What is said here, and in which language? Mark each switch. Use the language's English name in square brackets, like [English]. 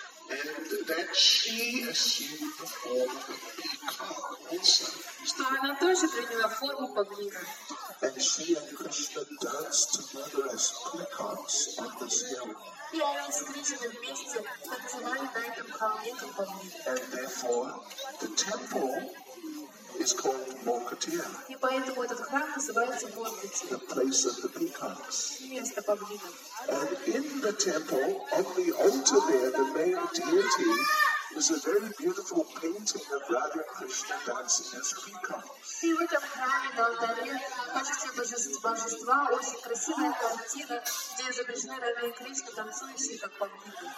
[English] And that she assumed the form of a peacock also. [Russian] Что она тоже приняла форму павлина. [English] And she and Krishna danced together as peacocks on the hill. [Russian] И они с Кришной вместе танцевали на этом холме как павлина. [English] And therefore, the temple is called Morkutir. [Russian] И поэтому этот храм называется Morkutir. [English] The place of the peacocks. [Russian] Место павлина. [English] And in the temple, on the altar there, the main deity was a very beautiful painting of Radha and Krishna dancing as peacocks. [Russian] И в этом храме на алтаре, кажется, божества, очень красивая картина, где изображены Радха и Кришна, танцующие как павлины.